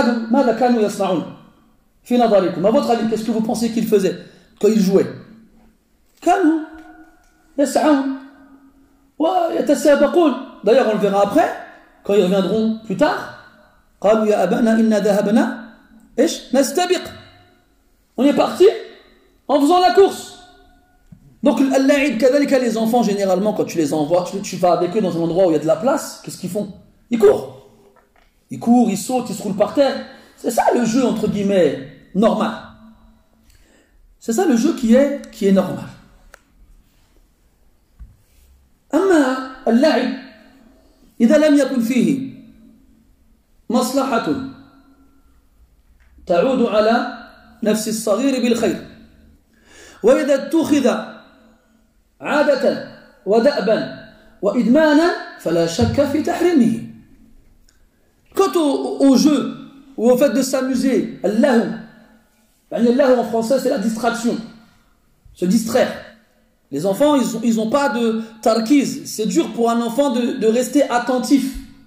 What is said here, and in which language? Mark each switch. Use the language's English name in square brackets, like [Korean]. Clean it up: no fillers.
[French] ماذا كانوا يصنعون فينا داريكم. À votre avis, qu'est-ce que vous pensez qu'il faisait quand il jouait? [Arabic] كانوا يسعون ويتسابقون. [French] D'ailleurs, on le verra après, quand ils reviendront plus tard. [Arabic] قالوا يا أبانا إنا ذهبنا إيش نستبق. [French] On est parti en faisant la course. Donc, اللعب كذلك, les enfants, généralement, quand tu les envoies, tu vas avec eux dans un endroit où il y a de la place, qu'est-ce qu'ils font? Ils courent. Ils courent, ils sautent, ils se roulent par terre. C'est ça le jeu, entre guillemets, normal. C'est ça le jeu qui est normal. [Arabic] اللعب إذا لم يكن فيه مصلحة تعود على نفس الصغير بالخير، وإذا اتخذ عادة ودأبا وإدمانا فلا شك في تحريمه. [French] Quant au jeu ou au fait de s'amuser, اللهو يعني اللهو en français c'est la distraction, se distraire. Les enfants, ils n'ont pas de tarkiz. C'est dur pour un enfant de rester attentif.